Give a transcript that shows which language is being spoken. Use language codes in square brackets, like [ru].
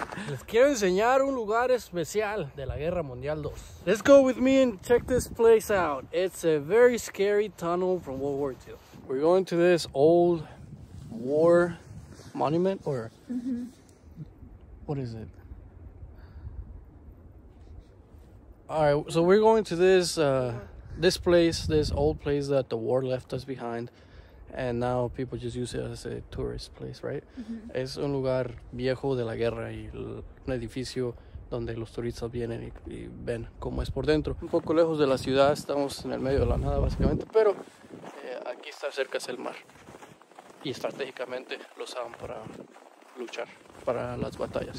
[es] Les quiero enseñar un lugar especial de la Guerra Mundial 2. [en] Let's go with me and check this place out. It's a very scary tunnel from World War II. We're going to this old war monument or... Mm-hmm. What is it? All right, so we're going to this this place, this old place that the war left us behind. And now people just use it as a tourist place, right? Mm-hmm. [es] Es un lugar viejo de la guerra y un edificio donde los turistas vienen y ven cómo es por dentro. Un poco lejos de la ciudad, estamos en el medio de la nada básicamente, pero aquí está cerca es el mar. Y estratégicamente lo usaban para luchar, para las batallas.